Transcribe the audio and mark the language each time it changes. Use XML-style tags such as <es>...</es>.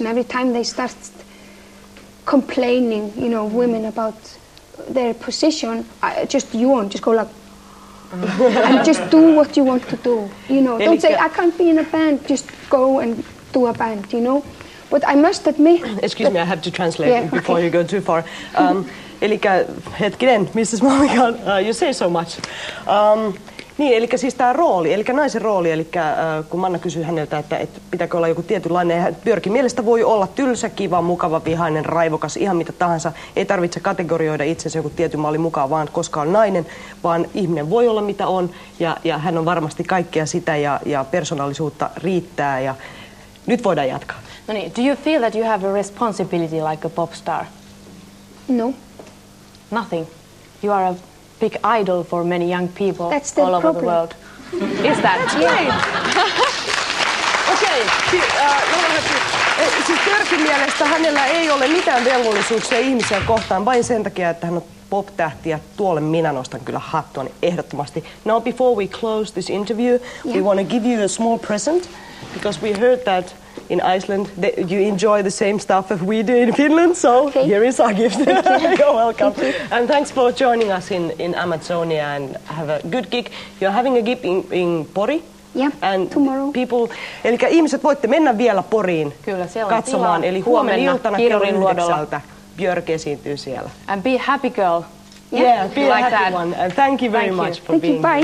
<en>And every time they start complaining, you know, women about their position, just go like, and just do what you want to do. You know, don't say I can't be in a band. Just go and do a band. You know. But I must admit. Excuse me, I have to translate before you go too far.</en> <fi>Elikkä hetkinen,</fi> <en>Mrs. Mulligan, you say so much.</en> <fi>Niin, elikkä siis tämä rooli, elikkä naisen rooli, elikkä kun Manna kysyi häneltä, että et pitääkö olla joku tietynlainen, ja Björkin mielestä voi olla tylsä, kiva, mukava, vihainen, raivokas, ihan mitä tahansa. Ei tarvitse kategorioida itsensä joku tietyn mallin mukaan, vaan koska on nainen, vaan ihminen voi olla mitä on, ja hän on varmasti kaikkea sitä, ja persoonallisuutta riittää, ja nyt voidaan jatkaa.</fi> <en>Do you feel that you have a responsibility like a pop star? No. Nothing. You are a big idol for many young people all over the world. Is that great? Okay.</en> <fi>Siis Björkin mielestä hänellä ei ole mitään velvollisuuksia ihmisiä kohtaan vain sen takia, että hän on pop-tähti ja tuolle minä nostan kyllä hattua ehdottomasti.</fi> <en>Now before we close this interview, we want to give you a small present because we heard that in Iceland, you enjoy the same stuff as we do in Finland, so here is our gift. You're welcome. Thank you. And thanks for joining us in Amazonia and have a good gig. You're having a gig in Pori. Yeah, and tomorrow.</en> <fi>People, eli ihmiset voitte mennä vielä Poriin. Kyllä, siellä on katsomaan, eli huomenna iltana Kirurin luodolla. Björk esiintyy siellä.</fi> <en>And be a happy girl. Yeah, be a happy one. And thank you very much for being here.</en>